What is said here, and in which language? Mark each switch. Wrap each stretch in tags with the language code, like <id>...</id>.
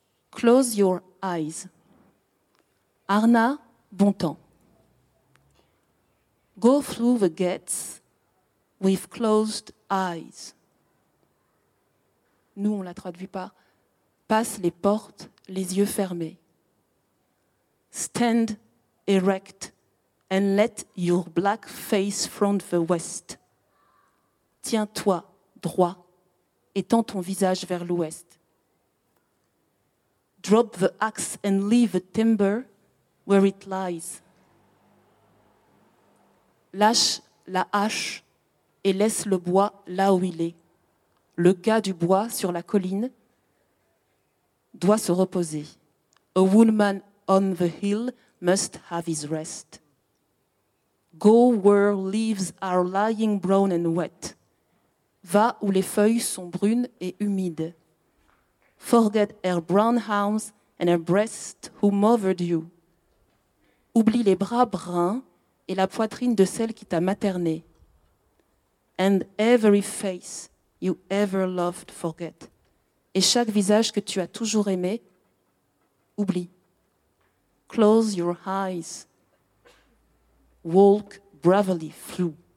<en>Close your eyes. Arna, bon temps. Go through the gates with closed eyes.</en> <fr>Nous, on la traduit par « passe les portes, les yeux fermés ».</fr> <en>Stand erect and let your black face front the west.</en> <fr>Tiens-toi droit et tends ton visage vers l'ouest.</fr> <en>Drop the axe and leave the timber where it lies.</en> <fr>Lâche la hache et laisse le bois là où il est. Le gars du bois sur la colline doit se reposer.</fr> <en>A woodman on the hill must have his rest. Go where leaves are lying brown and wet.</en> <fr>Va où les feuilles sont brunes et humides.</fr> <en>Forget her brown arms and her breast who mothered you.</en> <fr>Oublie les bras bruns et la poitrine de celle qui t'a materné.</fr> <en>And every face you ever loved, forget.</en> <fr>et chaque visage que tu as toujours aimé, oublie.</fr> <en>Close your eyes. Walk bravely through.</en>